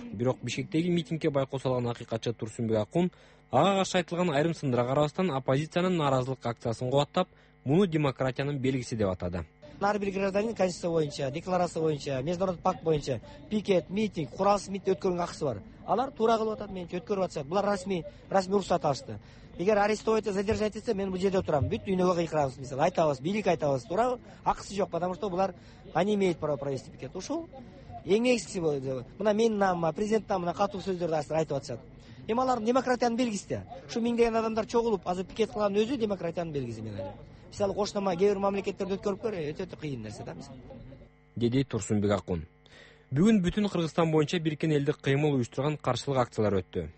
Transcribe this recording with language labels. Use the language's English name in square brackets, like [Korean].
[Kyrgyz] Бирок Бишкектеги митингге байкоо салган акыйкатчы Турсунбек Акун ага каршы айтылган айрым сындарга карабастан оппозициянын нааразылык акциясын кубаттап, муну демократиянын белгиси деп атады. Ар бир гражданин конституция боюнча, декларация боюнча, международный пакт боюнча пикет, митинг, курамсыз митинг өткөрүүнүн акысы бар. Алар туура кылып атат, мен өткөрүп атышат. Булар расмий уруксат алышты. Эгер арестовать этсе, задержать этсе, мен бул жерде турам. Бүт үйүнө кыйкырабыз мисалы, айтабыз, бийлик айтабыз, туурабы? Акысы жок, [Russian] потому что булар они имеют право провести пикет. [Kyrgyz] Ушул эң негизги болду. Мына менин намыма, президенттин намына катуу сөздөрдү азыр айтып атышат. Эми алар демократиянын белгиси да. Ушу миңдеген адамдар чогулуп, азыр пикет кылганын өзү демократиянын белгиси мен айтам. Мисалы кошунама кээ бир мамлекеттерде өткөрүп көр, өтө кыйын нерсе да мисалы. Деди Турсунбек Акун. Бүгүн бүтүн Кыргызстан боюнча биркен элдик кыймыл уюштурган каршылык акциялары өттү.